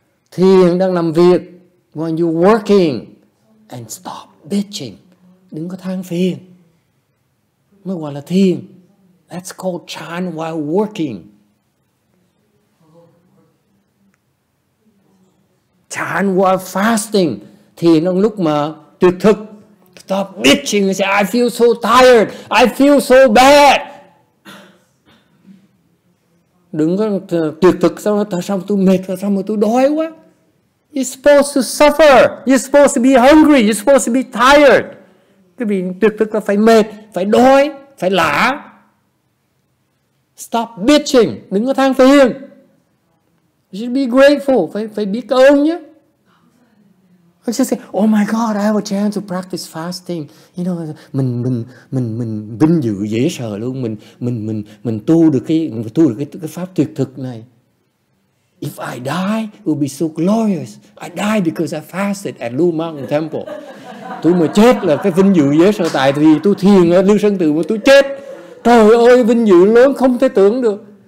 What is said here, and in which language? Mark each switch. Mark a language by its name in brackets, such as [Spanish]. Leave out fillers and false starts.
[Vietnamese] Thiền đang làm việc. [English] While you working, and stop bitching. [Vietnamese] Đừng có than phiền. Mới gọi là thiền. [English] That's called chan while working. Chan while fasting. [Vietnamese] Thiền trong lúc mà tuyệt thực. [English] Stop bitching and say, I feel so tired. I feel so bad. [Vietnamese] Đừng có tuyệt thực sao mà tại sao mà tôi mệt, sao mà tôi đói quá. [English] You're supposed to suffer. You're supposed to be hungry. You're supposed to be tired. [Vietnamese] Cái vì tuyệt thực là phải mệt, phải đói, phải lả. [English] Stop bitching. [Vietnamese] Đừng có than phiền. [English] You should be grateful. [Vietnamese] Phải biết ơn nhé. [English] I just say, oh my God, I have a chance to practice fasting. You know, [Vietnamese] mình vinh dự dễ sợ luôn. Mình tu được cái pháp tuyệt thực này. [English] If I die, it will be so glorious. I die because I fasted at Lu Mountain Temple. [Vietnamese] Tôi mà chết là cái vinh dự dễ sợ, tại vì tôi thiền ở Lưu Sơn Tự mà tôi chết. Trời ơi, vinh dự lớn không thể tưởng được.